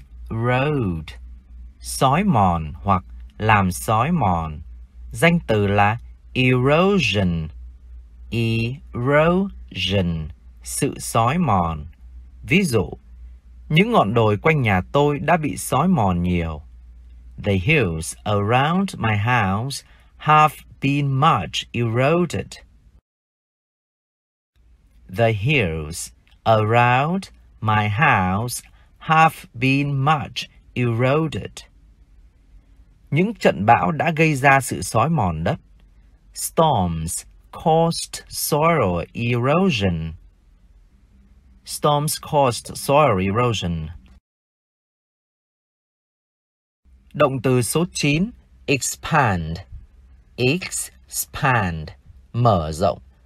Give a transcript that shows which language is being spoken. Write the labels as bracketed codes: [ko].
[vi] road, xói mòn hoặc làm xói mòn. Danh từ là erosion, erosion, sự xói mòn. Ví dụ, những ngọn đồi quanh nhà tôi đã bị xói mòn nhiều. [en] The hills around my house have been much eroded. The hills around my house have been much eroded. [vi] Những trận bão đã gây ra sự xói mòn đất. [en] Storms caused soil erosion. Storms caused soil erosion. [vi] Động từ số 9, expand. Expand, mở rộng.